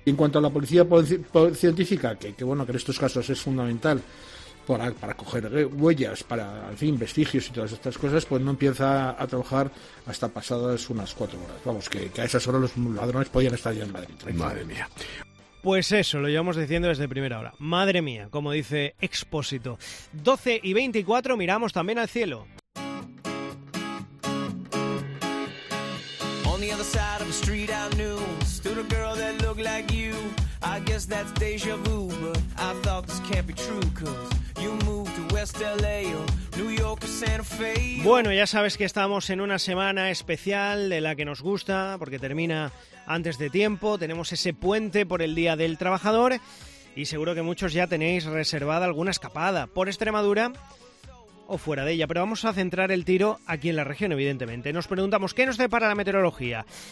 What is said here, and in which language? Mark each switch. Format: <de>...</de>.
<es>En cuanto a la policía científica, que en estos casos es fundamental para coger huellas, para, en fin, vestigios y todas estas cosas, pues no empieza a trabajar hasta pasadas unas 4 horas. Vamos, que a esas horas los ladrones podían estar ya en Madrid. Madre mía. Pues eso, lo llevamos diciendo desde primera hora. Madre mía, como dice Expósito. 12 y 24, miramos también al cielo.</es> <en>On the other side of the street I knew, stood a girl that looked like you. I guess that's deja vu, but I thought this can't be true, cause you moved to West LA or New York or Santa Fe.</en> <es>Bueno, ya sabes que estamos en una semana especial de la que nos gusta, porque termina antes de tiempo, tenemos ese puente por el Día del Trabajador y seguro que muchos ya tenéis reservada alguna escapada por Extremadura o fuera de ella. Pero vamos a centrar el tiro aquí en la región, evidentemente. Nos preguntamos, ¿qué nos depara la meteorología?</es>